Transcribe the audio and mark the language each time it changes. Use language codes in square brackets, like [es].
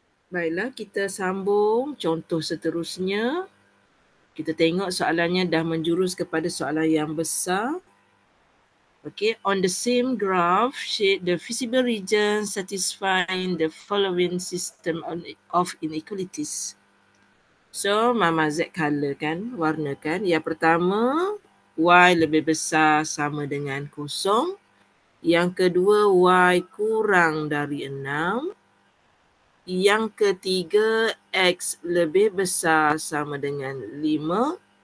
[ms] Baiklah, kita sambung contoh seterusnya. Kita tengok soalannya dah menjurus kepada soalan yang besar. [en] Okay, on the same graph, shade the visible region satisfying the following system of inequalities. [ms] So, Mama Z color kan, warna kan. Yang pertama, Y lebih besar sama dengan kosong. Yang kedua, Y kurang dari 6. Yang ketiga, X lebih besar sama dengan 5.